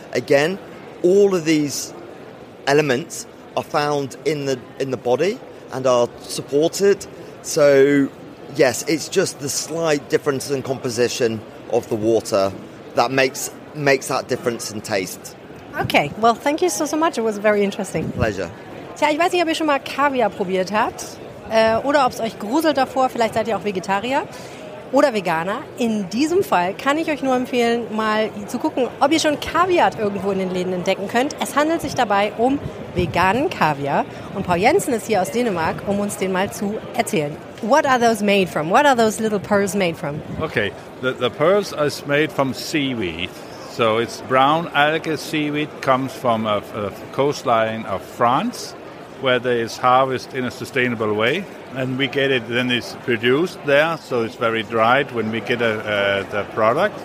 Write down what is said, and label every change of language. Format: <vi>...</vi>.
<en>Again, all of these elements are found in the body and are supported. So yes, it's just the slight difference in composition of the water that makes that difference in taste. Okay, well, thank you so much. It was very interesting. Pleasure.</en> <de>Tja, ich weiß nicht, ob ihr schon mal Kaviar probiert habt oder ob es euch gruselt davor. Vielleicht seid ihr auch Vegetarier oder Veganer. In diesem Fall kann ich euch nur empfehlen, mal zu gucken, ob ihr schon Kaviar irgendwo in den Läden entdecken könnt. Es handelt sich dabei um veganen Kaviar. Und Paul Jensen ist hier aus Dänemark, um uns den mal zu erzählen.</de> <en>What are those made from? What are those little pearls made from? Okay, the pearls are made from seaweed. So it's brown algae seaweed, comes from a coastline of France, where there is harvest in a sustainable way. And we get it, then it's produced there, so it's very dried when we get the product.</en>